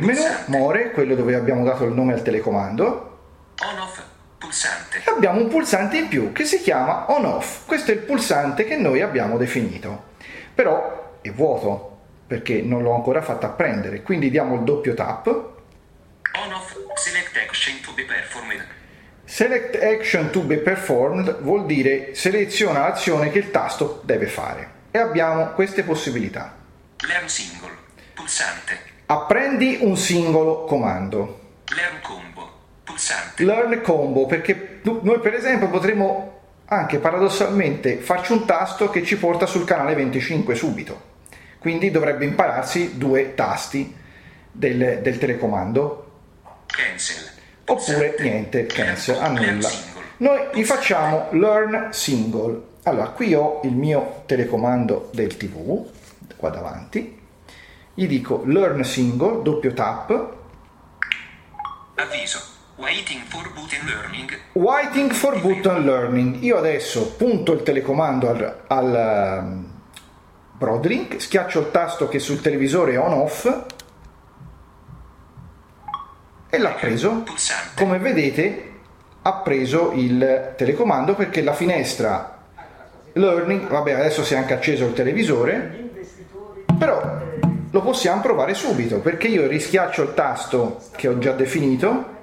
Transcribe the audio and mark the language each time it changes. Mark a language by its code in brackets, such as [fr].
[it] pulsante. Menu, more, quello dove abbiamo dato il nome al telecomando. On off, pulsante. E abbiamo un pulsante in più che si chiama on off. Questo è il pulsante che noi abbiamo definito. Però è vuoto, perché non l'ho ancora fatta apprendere, quindi diamo il doppio tap. [en] On off, select action to be performed. Select action to be performed [it] vuol dire seleziona l'azione che il tasto deve fare. E abbiamo queste possibilità. [en] Learn single, pulsante. [it] Apprendi un singolo comando. [en] Learn combo, pulsante. [it] Learn combo, perché noi per esempio potremmo anche paradossalmente farci un tasto che ci porta sul canale 25 subito. Quindi dovrebbe impararsi due tasti del telecomando. [en] Cancel. [it] Oppure pulsante. Niente, cancel, annulla. Noi pulsante. Gli facciamo learn single. Allora, qui ho il mio telecomando del TV, qua davanti. Gli dico learn single, doppio tap. Avviso. [en] Waiting for button learning. Waiting for button learning. [it] Io adesso punto il telecomando al Broadlink, schiaccio il tasto che sul televisore è on off e l'ha preso. Pulsante. Come vedete ha preso il telecomando perché la finestra learning, vabbè adesso si è anche acceso il televisore, però lo possiamo provare subito perché io rischiaccio il tasto che ho già definito.